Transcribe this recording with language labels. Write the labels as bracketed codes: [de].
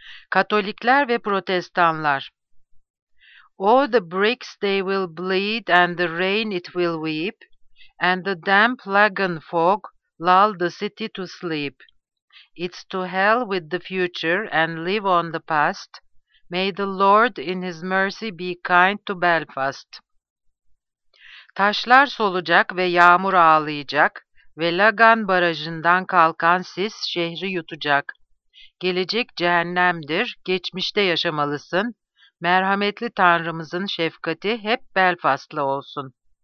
[tr] Katolikler ve Protestanlar. [en] Oh, the bricks they will bleed and the rain it will weep and the damp lagoon fog lull the city to sleep. It's to hell with the future and live on the past. May the Lord in his mercy be kind to Belfast. [tr] Taşlar solacak ve yağmur ağlayacak ve Lagan barajından kalkan sis şehri yutacak. Gelecek cehennemdir, geçmişte yaşamalısın. Merhametli Tanrımızın şefkati hep Belfast'la olsun.